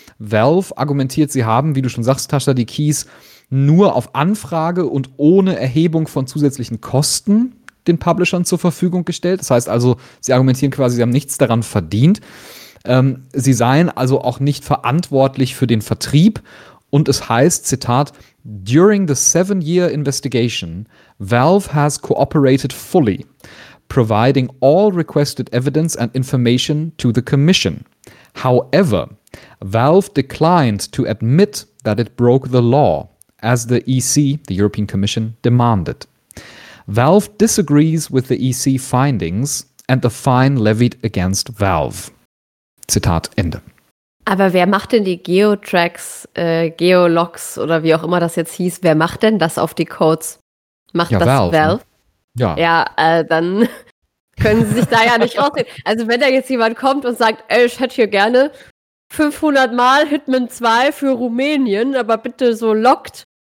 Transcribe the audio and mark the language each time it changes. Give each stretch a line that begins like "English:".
German: Valve argumentiert, sie haben, wie du schon sagst, Tascha, die Keys nur auf Anfrage und ohne Erhebung von zusätzlichen Kosten den Publishern zur Verfügung gestellt. Das heißt also, sie argumentieren quasi, sie haben nichts daran verdient. Sie seien also auch nicht verantwortlich für den Vertrieb. Und es heißt, Zitat,
English: during the 7-year investigation, Valve has cooperated fully, providing all requested evidence and information to the commission. However, Valve declined to admit that it broke the law, as the EC, the European Commission, demanded. Valve disagrees with the EC findings and the fine levied against Valve.
German: Zitat Ende. Aber wer macht denn die Geotracks, Geologs oder wie auch immer das jetzt hieß, wer macht denn das auf die Codes? Macht ja, das Valve? Ne? Ja. Ja, dann können sie sich da ja nicht rausreden. Also wenn da jetzt jemand kommt und sagt, ey, ich hätte hier gerne 500 Mal Hitman 2 für Rumänien, aber bitte so lockt.